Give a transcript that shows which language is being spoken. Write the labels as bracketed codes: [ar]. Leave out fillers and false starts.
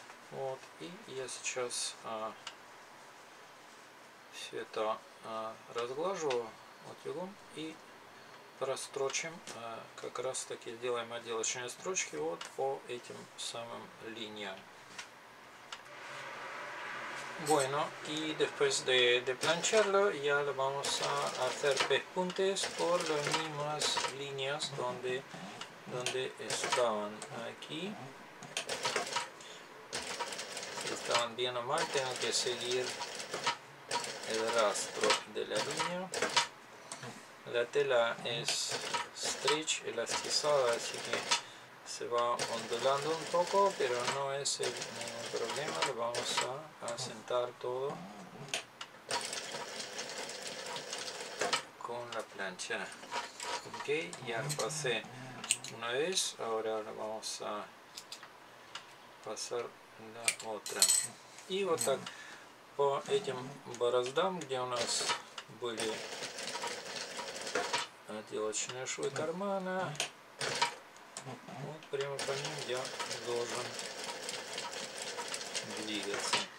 [ru] Вот, и я сейчас все это разглажу утюгом и прострочим, как раз таки сделаем отделочные строчки вот по этим самым линиям. [es] Bueno, y después de plancharlo ya lo vamos a hacer pespuntes por las mismas líneas donde estaban aquí. Si estaban bien o mal, tengo que seguir el rastro de la línea. La tela es stretch, elastizada, así que se va ondulando un poco, pero no es el problema. Lo vamos a asentar todo con la plancha. Ok, ya lo pasé una vez, ahora lo vamos a pasar la otra. [ru] Y вот так, по этим бороздам, где у нас были отделочные швы кармана, вот прямо по ним я должен двигаться.